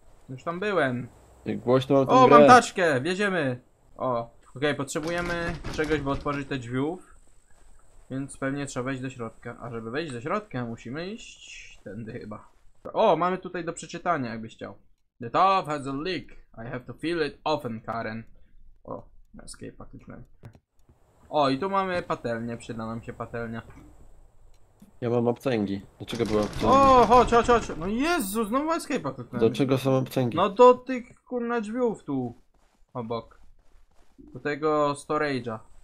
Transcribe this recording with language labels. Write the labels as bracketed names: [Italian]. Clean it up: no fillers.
[Polish] Już tam byłem. Jak głośno mam tę grę. O, mam taczkę, wjedziemy. O, okej, potrzebujemy czegoś, by otworzyć te drzwi. Więc pewnie trzeba wejść do środka. A żeby wejść do środka, musimy iść tędy chyba. O, mamy tutaj do przeczytania, jakbyś chciał. [English] The top has a leak. I have to fill it often, Karen. [Polish] O, escape kliknąłem. O, i tu mamy patelnię, przyda nam się patelnia. Ja mam obcęgi. Dlaczego była obcęgi? O, chodź, chodź, chodź. No Jezu, znowu escape kliknąłem. Do czego są obcęgi? No do tych, kurna, drzwiów tu. Obok. Do tego storage'a.